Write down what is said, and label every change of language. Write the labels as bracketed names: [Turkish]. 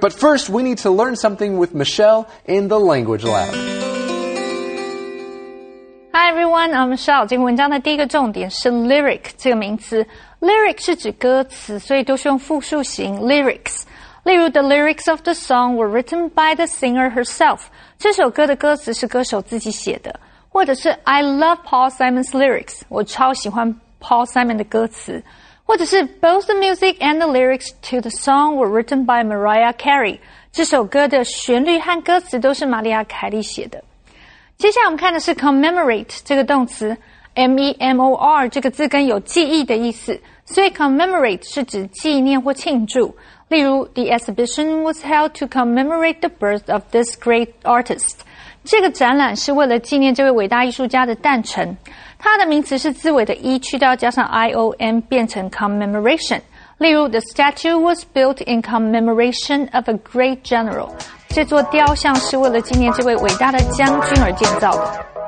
[English] But first, we need to learn something with Michelle in the Language Lab. Hi, everyone. I'm Michelle. [Chinese] 这个文章的第一个重点是 lyric 这个名词。 Lyric 是指歌词，所以都是用复数型 lyrics。例如 [English] the lyrics of the song were written by the singer herself. [Chinese] 这首歌的歌词是歌手自己写的。或者是 [English] I love Paul Simon's lyrics. [Chinese] 我超喜欢 Paul Simon 的歌词。或者是 [English] both the music and the lyrics to the song were written by Mariah Carey. [Chinese] 这首歌的旋律和歌词都是玛丽亚·凯莉写的。接下来我们看的是 commemorate 这个动词。M-E-M-O-R 这个字根有记忆的意思。所以 commemorate 是指纪念或庆祝。例如 [English] the exhibition was held to commemorate the birth of this great artist. [Chinese] 这个展览是为了纪念这位伟大艺术家的诞辰。它的名词是字尾的 E 去掉加上 I-O-M 变成 commemoration. 例如 [English] the statue was built in commemoration of a great general. [Chinese] 这座雕像是为了纪念这位伟大的将军而建造的。